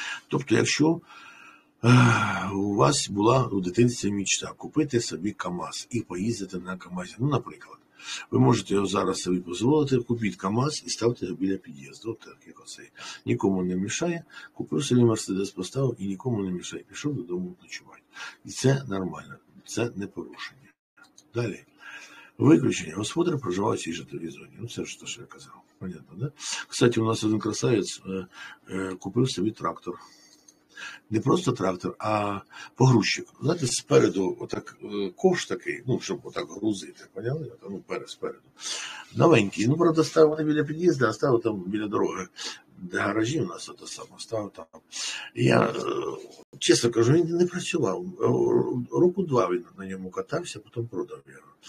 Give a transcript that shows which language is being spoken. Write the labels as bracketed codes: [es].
[uk] Тобто, якщо у вас була у дитинстві мечта купити собі КАМАЗ і поїздити на КАМАЗі, ну, наприклад, ви можете його зараз собі дозволити, купіть КАМАЗ і ставте його біля під'їзду, так як оце нікому не мішає, купив собі Мерседес, поставив і нікому не мішає, пішов додому ночувати. І це нормально, це не порушення. Далі. Виключення. Господар проживає в цій житловій зоні. Ну, це ж те, що я казав. [ru] Понятно, да? Кстати, у нас один красавець купив собі трактор. Не просто трактор, а погрузчик. [uk] Знаєте, спереду отак кош такий, ну, щоб отак грузити, поняли? Ну, спереду. Новенький. Ну, правда, ставив не біля під'їзду, а ставив там біля дороги. Де гаражі у нас ото саме ставив там. Я, чесно кажу, він не працював. Року два він на ньому катався, потім продав його.